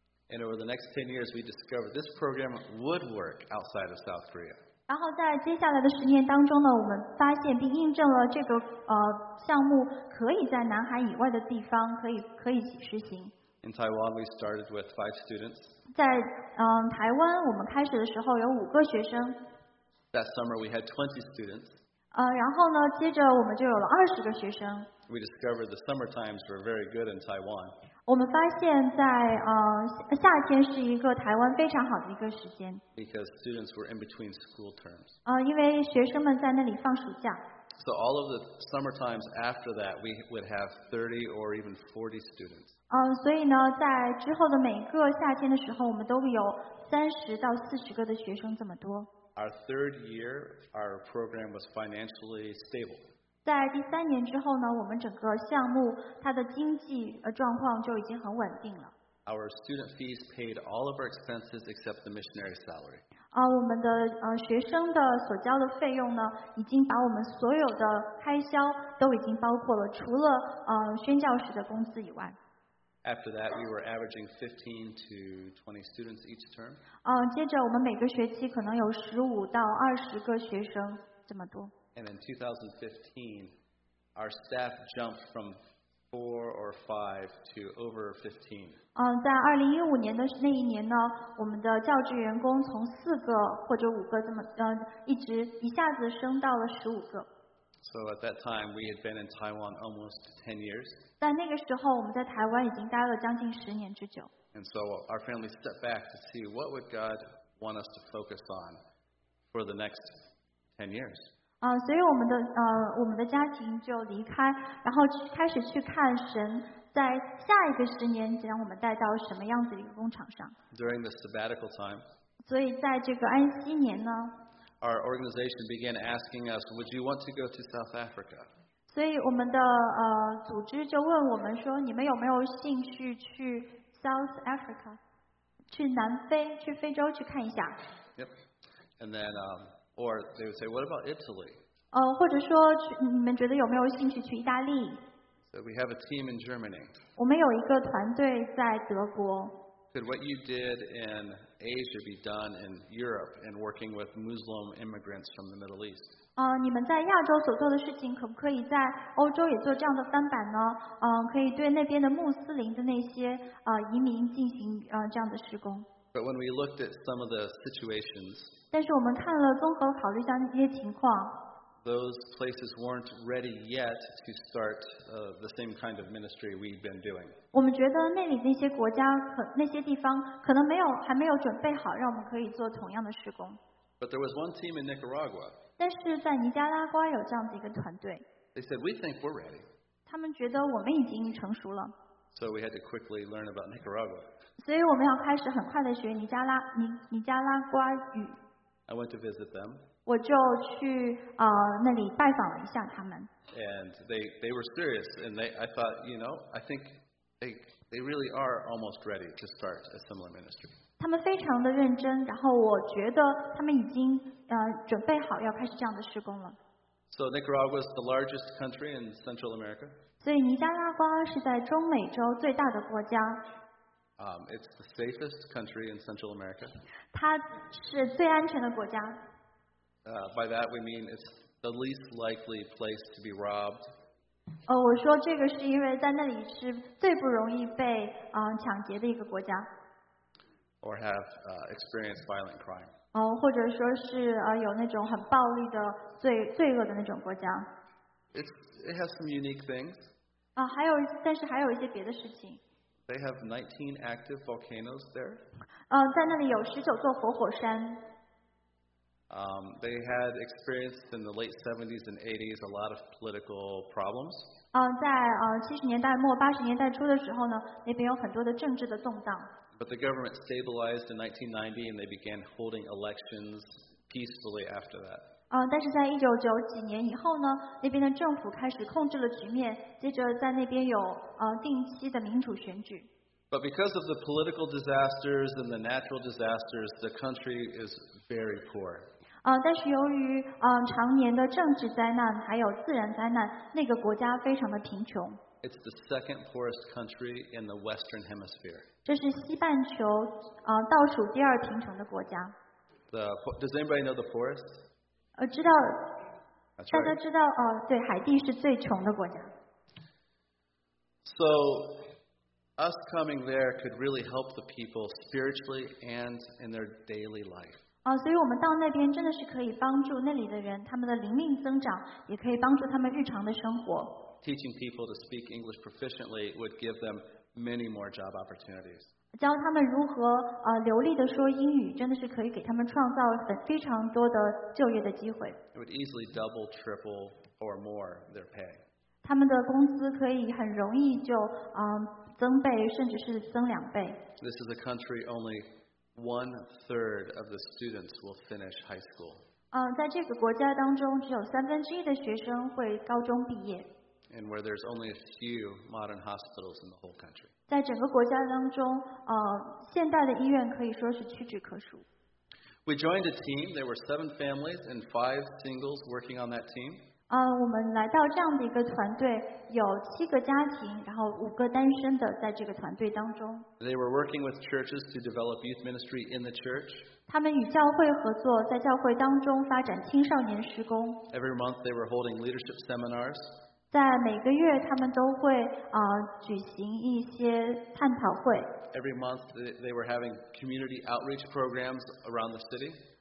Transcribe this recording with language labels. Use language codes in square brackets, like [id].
[en] And over the next 10 years, we discovered this program would work outside of South Korea. [zh] 然后在接下来的十年当中呢，我们发现并印证了这个项目可以在南韩以外的地方可以实行。 [en] In Taiwan, we started with 5 students. [zh] 在台湾，我们开始的时候有五个学生。 [en] That summer we had 20 students. [zh] 然后呢，接着我们就有了二十个学生。 [en] We discovered the summer times were very good in Taiwan. [zh] 我们发现在夏天是一个台湾非常好的一个时间。 [en] Because students were in between school terms. [zh] 因为学生们在那里放暑假。 [en] So all of the summer times after that, we would have 30 or even 40 students. [zh] 所以呢，在之后的每个夏天的时候，我们都有三十到四十个的学生这么多。 [en] Our third year, our program was financially stable. [zh] 在第三年之后呢，我们整个项目它的经济状况就已经很稳定了。 [en] Our student fees paid all of our expenses except the missionary salary. [zh] 我们的学生的所交的费用呢，已经把我们所有的开销都已经包括了，除了宣教士的工资以外。 [en] After that, we were averaging 15 to 20 students each term. [zh] 接着我们每个学期可能有15到20个学生这么多。 [en] And in 2015, our staff jumped from 4 or 5 to over 15. [zh] 在2015年的那一年呢，我们的教职员工从4个或者5个这么一直一下子升到了15个。 [en] So at that time, we had been in Taiwan almost 10 years. [zh] 在那个时候，我们在台湾已经待了将近十年之久。 [en] And so our family stepped back to see what would God want us to focus on for the next 10 years. [zh] 所以我们的家庭就离开，然后开始去看神在下一个十年将我们带到什么样子的一个工厂上。 [en] During the sabbatical time. [zh] 所以在这个安息年呢。 [en] Our organization began asking us, "Would you want to go to South Africa?" [zh] 所以我们的组织就问我们说，你们有没有兴趣去 South Africa, 去南非，去非洲去看一下 [en] ？Yep. And then, or they would say, what about Italy? [zh] 或者说你们觉得有没有兴趣去意大利？ [en] So we have a team in Germany. [zh] 我们有一个团队在德国。 [en] Could what you did in Asia be done in Europe and working with Muslim immigrants from the Middle East? [zh] 你们在亚洲所做的事情可不可以在欧洲也做这样的翻版呢？可以对那边的穆斯林的那些移民进行这样的施工。 [en] But when we looked at some of the situations, [zh] 但是我们看了综合考虑上一些情况。 [en] Those places weren't ready yet to start the same kind of ministry we've been doing. [zh] 我们觉得那里那些国家可那些地方可能没有还没有准备好让我们可以做同样的施工。 [en] But there was one team in Nicaragua. [zh] 但是在尼加拉瓜有这样的一个团队。 [en] They said we think we're ready. [zh] 他们觉得我们已经成熟了。 [en] So we had to quickly learn about Nicaragua. [zh] 所以我们要开始很快的学尼加拉瓜语。 [en] I went to visit them. [zh] 我就去那里拜访了一下他们。 [en] And they were serious, and I thought, you know, I think they really are almost ready to start a similar ministry. [zh] 他们非常的认真，然后我觉得他们已经准备好要开始这样的施工了。 [en] So Nicaragua is the largest country in Central America. [zh] 所以尼加拉瓜是在中美洲最大的国家。 [en] It's the safest country in Central America. [zh] 它是最安全的国家。 [en] By that we mean it's the least likely place to be robbed. [zh] 我说这个是因为在那里是最不容易被抢劫的一个国家。 [en] Or have experienced violent crime. [zh] 或者说是有那种很暴力的罪恶的那种国家。 [en] It has some unique things. [zh] 还有，但是还有一些别的事情。 [en] They have 19 active volcanoes there. [zh] 在那里有19座活火山。 [en] They had experienced in the late 70s and 80s a lot of political problems. [zh] 在70年代末80年代初的时候呢，那边有很多的政治的动荡。 [en] But the government stabilized in 1990 and they began holding elections peacefully after that. [zh] 但是在1990几年以后呢，那边的政府开始控制了局面，接着在那边有定期的民主选举。 [en] But because of the political disasters and the natural disasters, the country is very poor. [zh] 但是由于常年的政治灾难还有自然灾难，那个国家非常的贫穷。 [en] It's the second poorest country in the Western Hemisphere. [zh] 这是西半球倒数第二贫穷的国家。 [en] Does anybody know the poorest? [zh] 知道。 [en] That's right. [zh] 大家知道对，海地是最穷的国家。 [en] So. Us coming there could really help the people spiritually and in their daily life. [zh] 所以我们到那边真的是可以帮助那里的人，他们的灵命增长，也可以帮助他们日常的生活。 [en] Teaching people to speak English proficiently would give them many more job opportunities. [zh] 教他们如何流利的说英语，真的是可以给他们创造非常多的就业的机会。 [en] It would easily double, triple, or more their pay. [zh] 他们的工资可以很容易就增倍甚至是增两倍。 [en] This is a country only one third of the students will finish high school. [zh] 在这个国家当中，只有三分之一的学生会高中毕业。 [en] And where there's only a few modern hospitals in the whole country. [zh] 在整个国家当中，现代的医院可以说是屈指可数。 [en] We joined a team. There were 7 families and 5 singles working on that team. [zh] 我们来到这样的一个团队，有七个家庭，然后五个单身的在这个团队当中。 [en] They were working with churches to develop youth ministry in the church. [zh] 他们与教会合作，在教会当中发展青少年施工。 [en] Every month they were holding leadership seminars. [zh] 在每个月他们都会举行一些探讨会。 [en] Every month they were having community outreach programs around the city.